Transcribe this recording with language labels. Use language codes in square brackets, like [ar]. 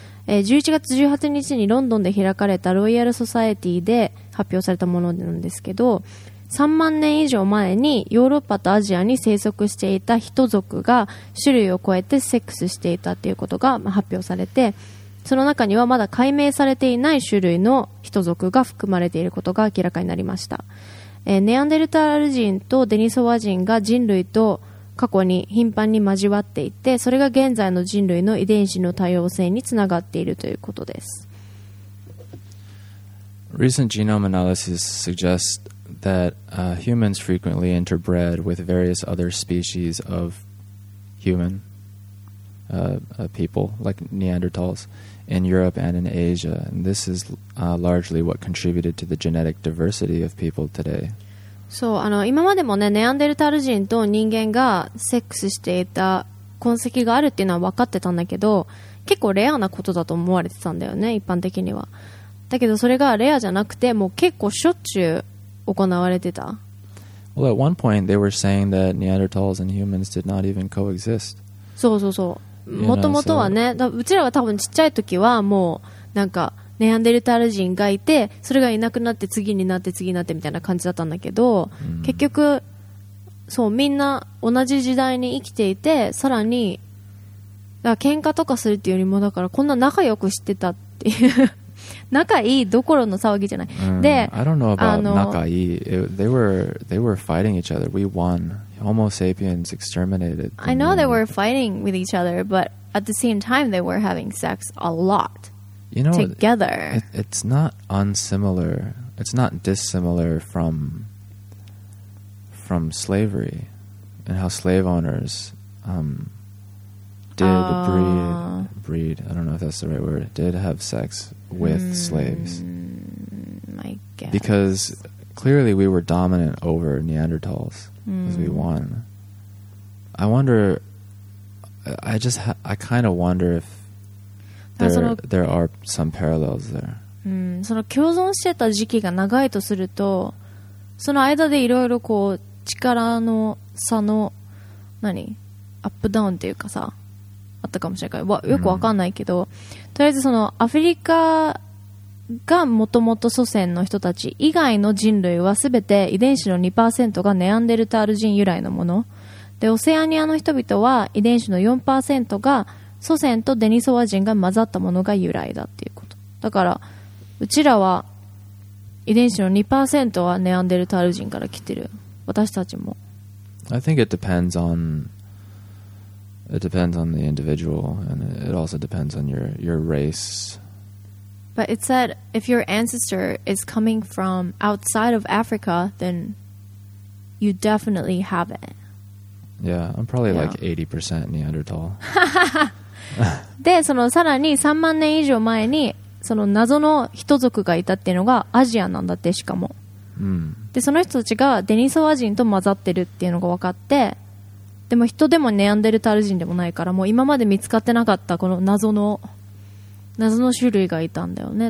[ja] 11月18日にロンドンで開かれたロイヤルソサエティで発表されたものなんですけど、3万年以上前にヨーロッパとアジアに生息していた人族が種類を超えてセックスしていたということが発表されて、その中にはまだ解明されていない種類の人族が含まれていることが明らかになりました。ネアンデルタール人とデニソワ人が人類と過去に頻繁に交わっていて、それが現在の人類の遺伝子の多様性につながっているということです。 [en] Recent genome analysis suggests that humans frequently interbred with various other species of human people, like Neanderthals, in Europe and in Asia. And this is largely what contributed to the genetic diversity of people today. [ja] そう、今までもね、ネアンデルタル人と人間がセックスしていた痕跡があるっていうのは分かってたんだけど、結構レアなことだと思われてたんだよね、一般的には。だけどそれがレアじゃなくて、もう結構しょっちゅう行われてた。 [en] Well, at one point, they were saying that Neanderthals and humans did not even coexist. [ja] そうそうそう、もともとはね、うちらは多分ちっちゃい時はもうなんかネアンデルタル人がいて、それがいなくなって次になって次になってみたいな感じだったんだけど、結局そう、みんな同じ時代に生きていて、さらにだから喧嘩とかするっていうよりも、だからこんな仲良くしてたっていう仲いいどころの騒ぎじゃない。で、 [en] I don't know about [ja] 仲いい。 [en] They were fighting each other. We wonHomo sapiens exterminated. I know they were fighting with each other, but at the same time, they were having sex a lot, you know, together. It's not unsimilar. It's not dissimilar from slavery and how slave owners breed. I don't know if that's the right word. Did have sex with slaves. I guess. Because clearly we were dominant over Neanderthals. As we won. I wonder, I kind of wonder if there are some parallels there. [ja] その共存してた時期が長いとすると、その間でいろいろこう力の差の何、アップダウンっていうかさ、あったかもしれないから、よくわかんないけど、とりあえずそのアフリカがもともと祖先の人たち以外の人類はすべて遺伝子の 2% がネアンデルタール人由来のもので、オセアニアの人々は遺伝子の 4% が祖先とデニソワ人が混ざったものが由来だっていうこと。だからうちらは遺伝子の 2% はネアンデルタール人から来てる、私たちも。 [en] I think it depends on the individual, and it also depends on your race But it said if your ancestor is coming from outside of Africa, then you definitely have it. Yeah, I'm probably like 80% Neanderthal. [ja] で、そのさらに3万年以上前にその謎の人族がいたっていうのがアジアなんだって、しかも。で、その人たちがデニソワ人と混ざってるっていうのが分かって、でも人でもネアンデルタル人でもないから、もう今まで見つかってなかったこの謎の種類がいたんだよね。